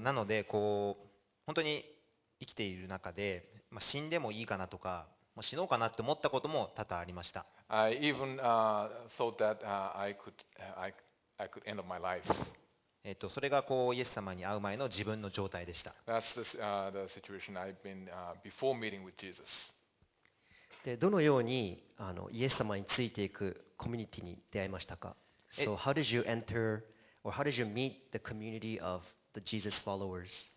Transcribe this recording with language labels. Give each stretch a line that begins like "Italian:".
Japanese: なのでこう本当に生きている中で、まあ、死んでもいいかなとか、もう死のうかなって思ったことも多々ありました。
English: I even thought that I could end of my life.
Japanese: それがこうイエス様に会う前の自分の状態でした。
English: That's the situation I've been before meeting with Jesus.
Japanese: で、どのようにイエス様についていくコミュニティに出会いましたか。
English: So how did you enter or how did you meet the community of the Jesus followers?